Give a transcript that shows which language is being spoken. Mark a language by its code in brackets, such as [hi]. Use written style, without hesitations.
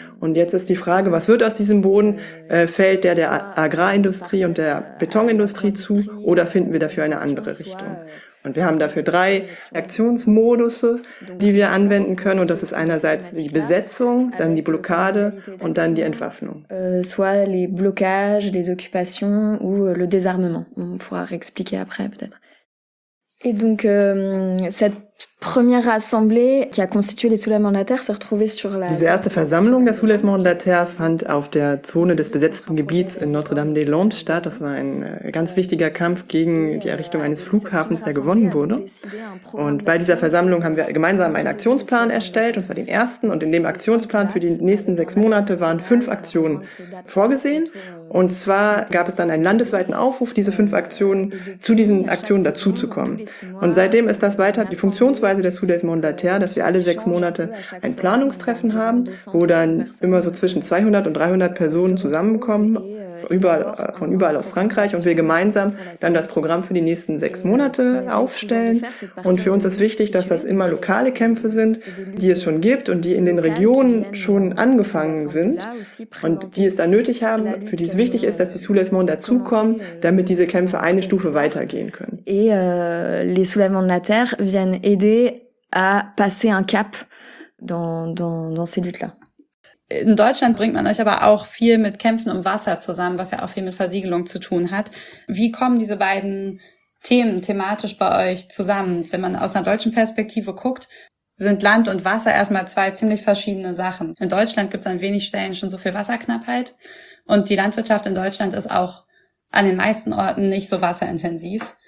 [de] Und jetzt ist die Frage, was wird aus diesem Boden? Fällt der Agrarindustrie und der Betonindustrie zu oder finden wir dafür eine andere Richtung? Und wir haben dafür 3 Aktionsmodusse, die wir anwenden können. Und das ist einerseits die Besetzung, dann die Blockade und dann die Entwaffnung. [fr] Soit les blocages, les occupations ou le désarmement. On pourra réexpliquer après, peut-être. Et donc, cette première assemblée qui a constitué les soulèvements de la terre s'est retrouvée sur la... [de] Diese erste Versammlung der Soulèvement de la Terre fand auf der Zone des besetzten Gebiets in Notre-Dame-des-Landes statt. Das war ein ganz wichtiger Kampf gegen die Errichtung eines Flughafens, der gewonnen wurde. Und bei dieser Versammlung haben wir gemeinsam einen Aktionsplan erstellt, und zwar den ersten. Und in dem Aktionsplan für die nächsten 6 Monate waren 5 Aktionen vorgesehen. Und zwar gab es dann einen landesweiten Aufruf, diese 5 Aktionen zu diesen Aktionen dazuzukommen. Und seitdem ist das weiter die Funktionsweise der Soulèvement de la Terre, dass wir alle 6 Monate ein Planungstreffen haben, wo dann immer so zwischen 200 und 300 Personen zusammenkommen, von überall aus Frankreich, und wir gemeinsam dann das Programm für die nächsten 6 Monate aufstellen. Und für uns ist wichtig, dass das immer lokale Kämpfe sind, die es schon gibt und die in den Regionen schon angefangen sind und die es dann nötig haben, für die es wichtig ist, dass die Soulèvements dazukommen, damit diese Kämpfe eine Stufe weitergehen können. [fr] Et les Soulèvements de la Terre viennent aider à passer un cap dans ces luttes-là. [de] In Deutschland bringt man euch aber auch viel mit Kämpfen um Wasser zusammen, was ja auch viel mit Versiegelung zu tun hat. Wie kommen diese beiden Themen thematisch bei euch zusammen? Wenn man aus einer deutschen Perspektive guckt, sind Land und Wasser erstmal 2 ziemlich verschiedene Sachen. In Deutschland gibt es an wenig Stellen schon so viel Wasserknappheit, und die Landwirtschaft in Deutschland ist auch an den meisten Orten nicht so wasserintensiv.